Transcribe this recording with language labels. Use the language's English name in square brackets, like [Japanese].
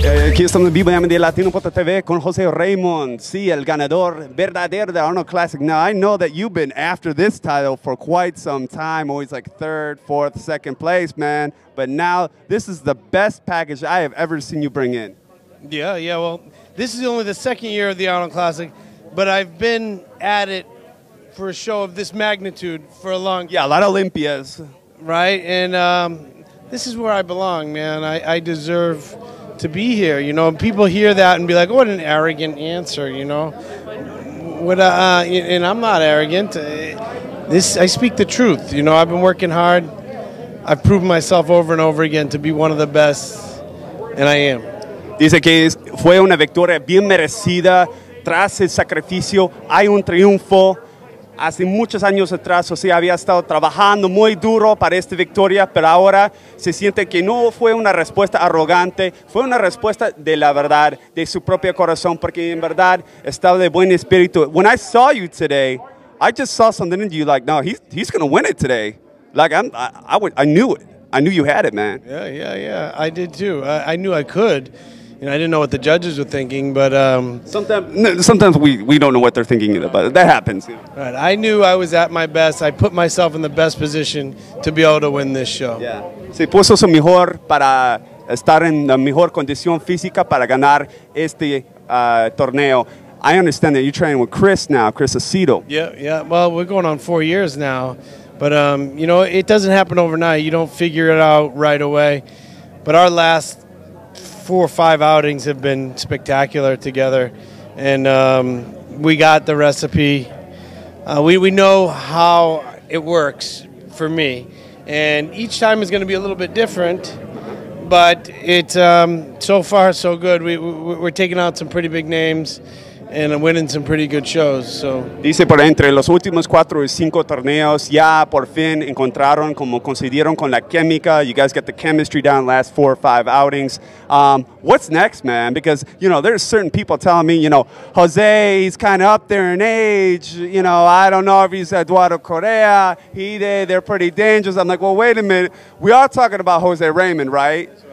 [Spanish] Aquí estamos vivo en DLatino.tv con José Raymond. Sí, el ganador verdadero de Arnold Classic. [English] Now, I know that you've been after this title for quite some time, always like third, fourth, second place, man. But now, this is the best package I have ever seen you bring in. Yeah, well, this is only the second year of the Arnold Classic, but I've been at it for a show of this magnitude for a long time. Yeah, a lot of Olympias. Right, and this is where I belong, man. I deserve to be here, you know. People hear that and be like, what an arrogant answer, you know. And I'm not arrogant. I speak the truth, you know. I've been working hard. I've proven myself over and over again to be one of the best, and I am. [Spanish] Dice que fue una victoria bien merecida tras el sacrificio. Hay un triunfo. Hace muchos años atrás, o sea, había estado trabajando muy duro para esta victoria, pero ahora se siente que no fue una respuesta arrogante, fue una respuesta de la verdad, de su propio corazón, porque en verdad estaba de buen espíritu. [English] When I saw you today, I just saw something in you like, no, he's going to win it today. Like, I knew it. I knew you had it, man. Yeah. I did too. I knew I could. You know, I didn't know what the judges were thinking, but sometimes we don't know what they're thinking either, but that happens. Yeah. Right. I knew I was at my best. I put myself in the best position to be able to win this show. [Spanish] Yeah. Se puso su mejor para estar en la mejor condición física para ganar este torneo. [English] I understand that you're training with Chris now, Chris Aceto. Yeah. Well, we're going on 4 years now, but you know, it doesn't happen overnight. You don't figure it out right away. But our last 4 or 5 outings have been spectacular together, and we got the recipe. We know how it works for me, and each time is going to be a little bit different, but it's so far so good. We're taking out some pretty big names and winning some pretty good shows. So [Spanish] dice por entre los últimos 4 o 5 torneos ya por fin encontraron como coincidieron con la química. [English] You guys got the chemistry down last 4 or 5 outings. What's next, man? Because you know there's certain people telling me, you know, Jose, he's kind of up there in age. You know, I don't know if he's Eduardo Correa, Hide, they're pretty dangerous. I'm like, well, wait a minute. We are talking about Jose Raymond, right?